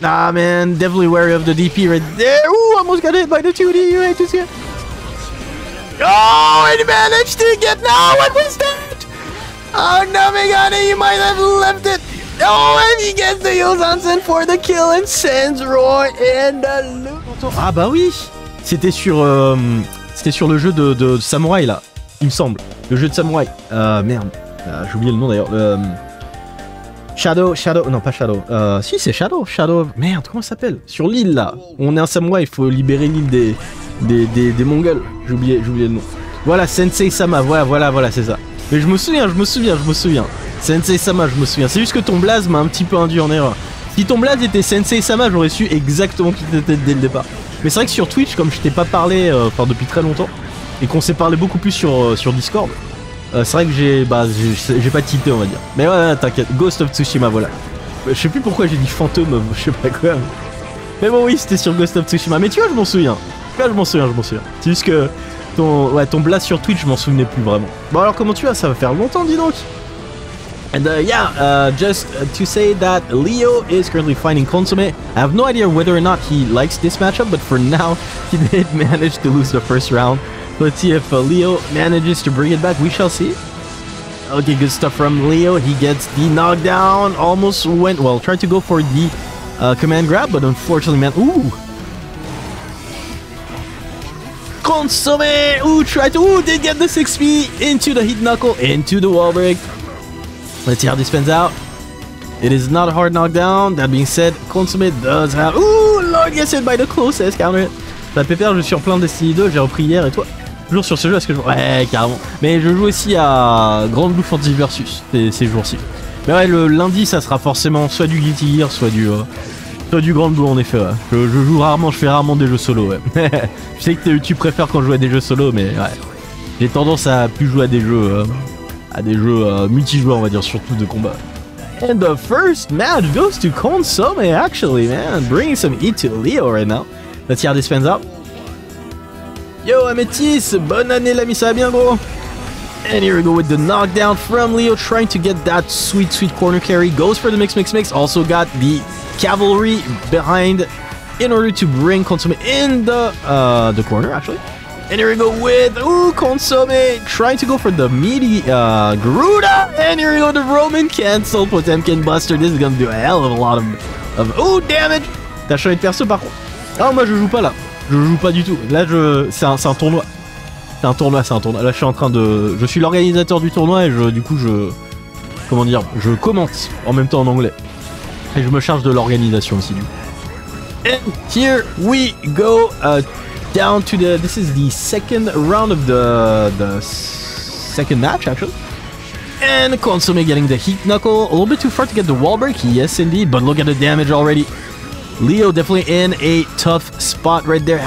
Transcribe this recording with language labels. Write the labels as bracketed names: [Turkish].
[English] Nah, man, definitely wary of the DP right there. Ooh, almost got hit by the 2D right this year. Oh, it managed to get. No, what was that? Oh, no, Megane, you might have left it. Oh, and he gets the Yozansen for the kill and sends Roy in the loop. [French] Ah, bah oui. C'était sur le jeu de samouraï, là, il me semble. Le jeu de samouraï. Merde. J'ai oublié le nom d'ailleurs. Shadow, non pas Shadow. Si c'est Shadow. Merde, comment ça s'appelle? Sur l'île là. On est un samouraï, il faut libérer l'île des Mongols. J'ai oublié le nom. Voilà, Sensei-sama, voilà, c'est ça. Mais je me souviens. Sensei-sama, je me souviens. C'est juste que ton blaze m'a un petit peu induit en erreur. Si ton blaze était Sensei-sama, j'aurais su exactement qui t'étais dès le départ. Mais c'est vrai que sur Twitch, comme je t'ai pas parlé depuis très longtemps, et qu'on s'est parlé beaucoup plus sur Discord. C'est vrai que j'ai pas tilté, on va dire. Mais ouais, t'inquiète, Ghost of Tsushima, voilà. Je sais plus pourquoi j'ai dit fantôme, je sais pas quoi. Mais bon, oui, c'était sur Ghost of Tsushima. Mais tu vois, je m'en souviens. C'est juste que ton blast sur Twitch, je m'en souvenais plus vraiment. Bon, alors comment tu vas? Ça va faire longtemps, dis donc. [English] And just to say that Leo is currently fighting Consomme. I have no idea whether or not he likes this matchup, but for now, he did manage to lose the first round. Let's see if Leo manages to bring it back. We shall see. Okay, good stuff from Leo. He gets the knockdown. Almost went well. Tried to go for the command grab, but unfortunately, man. Ooh! Consomme! Ooh, did get the 6P into the heat knuckle, into the wall break. Let's see how this pans out. It is not a hard knockdown. That being said, Consomme does have. Ooh, Lord, gets hit by the closest counter hit. [French] La pépère, je suis en plein Destiny 2, j'ai repris hier et toi? Toujours sur ce jeu, est-ce que je... Ouais, carrément. Mais je joue aussi à Grand Blue Fantasy Versus ces jours-ci. Mais ouais, le lundi, ça sera forcément soit du Guilty Gear, soit du Grand Blue, en effet, ouais. Je joue rarement, je fais rarement des jeux solo, ouais. Je sais que tu préfères quand je joue à des jeux solo, mais ouais. J'ai tendance à plus jouer à des jeux... multijoueurs, on va dire, surtout de combat. [English] And the first match goes to Consomme, actually, man. Bringing some heat to Leo right now. Let's see how this pans out. [French] Yo, Amethyst, bonne année, l'ami, ça va bien, gros. [English] And here we go with the knockdown from Leo, trying to get that sweet, sweet corner carry. Goes for the mix. Also got the cavalry behind in order to bring Consomme in the corner, actually. And here we go with, ooh, Consomme, trying to go for the meaty Gruda. And here we go, the Roman cancel, Potemkin Buster. This is gonna do a hell of a lot of ooh, damage. [French] T'as changé de perso, par contre. Ah, moi, je joue pas, là. Je joue pas du tout. Là, c'est un tournoi. Là, je suis l'organisateur du tournoi et je commente en même temps en anglais. Et je me charge de l'organisation aussi, du coup. [English] And here we go down to the... This is the second round of the second match, actually. And Consomme getting the heat knuckle. A little bit too far to get the wall break. Yes, indeed. But look at the damage already. Leo definitely in a tough spot right there.